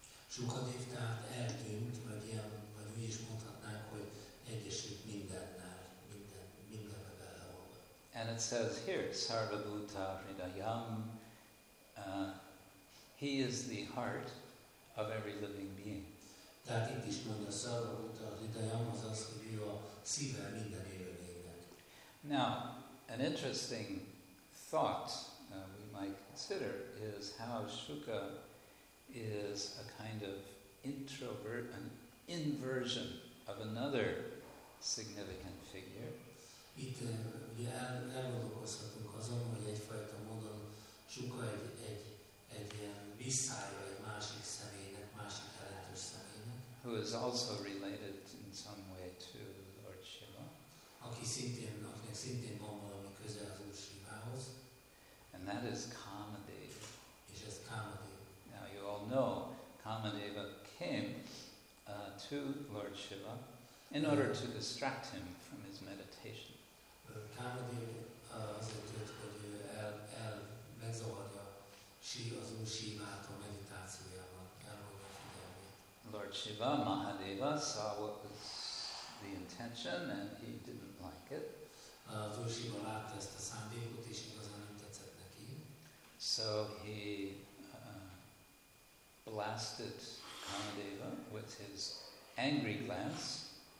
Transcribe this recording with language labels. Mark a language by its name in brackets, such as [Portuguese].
[Hungarian] Shukadev tehát eltűnt, vagy ilyen, vagy mi is mondhatnánk, hogy egyesült mindennel, mindenbe beleolvadt. [English] And it says here, Sarvabhuta Hridayam, he is the heart of every living being. [Hungarian] Tehát itt is mondja Sarvabhuta Hridayam, azaz, hogy ő a szíve minden élőlénynek. [English] Now, an interesting thought we might consider is how Shuka is a kind of introvert, an inversion of another significant figure. [Hungarian] Itt elgondolkozhatunk azon, hogy egyfajta módon Shuka egy ilyen visszájó egy másik személynek, másik jelentős személynek. [English] Who is also related in some way to Lord Shiva. [Hungarian] Akinek szintén van valami köze az Úr Shivához. [English] And that is Kamadeva. [Hungarian] És ez Kamadeva. [English] Now you all know Kamadeva came to Lord Shiva in order to distract him from his meditation. [Hungarian] Kamadeva azért jött, hogy ő el megzavarja az Úr Shivát a meditációjával, elhagyja a figyelmét. [English] Lord Shiva, Mahadeva saw what was the intention and he didn't like it. [Hungarian] Az Úr Shiva látta ezt a szándékot és igazán nem tetszett neki. [English] So he blasted Kamadeva with his angry glance.